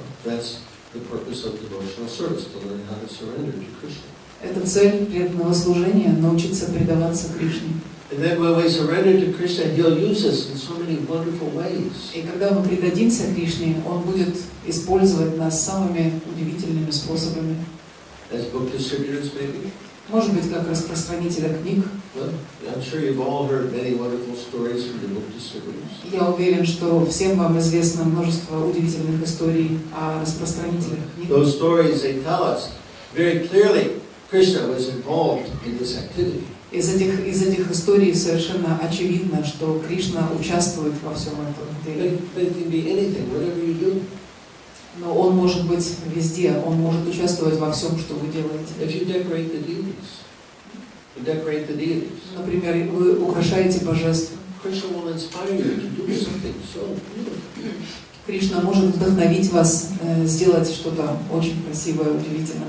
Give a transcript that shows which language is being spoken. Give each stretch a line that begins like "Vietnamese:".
English: That's the purpose of devotional service, to learn how to surrender to Krishna.
Russian: Это цель преданного служения — научиться предаваться Кришне.
English: And then when we surrender to Krishna, He'll use us in so many wonderful ways.
Russian: И когда мы предадимся Кришне, Он будет использовать нас самыми удивительными способами.
English: As book distributors, maybe?
Russian: Может быть, как распространителя книг.
English: Well, I'm sure you've all heard many wonderful stories from the book distributors.
Russian: Я уверен, что всем вам известно множество удивительных историй о распространителях книг.
English: Those stories, they tell us very clearly. Krishna was involved in this activity.
Russian: Из этих историй совершенно очевидно, что Кришна участвует во всем этом деле.
English: It can be anything, whatever you do.
Russian: Но он может быть везде, он может участвовать во всем, что вы делаете.
English: If you decorate the deities, decorate the deities.
Russian: Например, вы украшаете божества.
English: Krishna will inspire you to do something so beautiful.
Russian: Кришна может вдохновить вас сделать что-то очень красивое, удивительно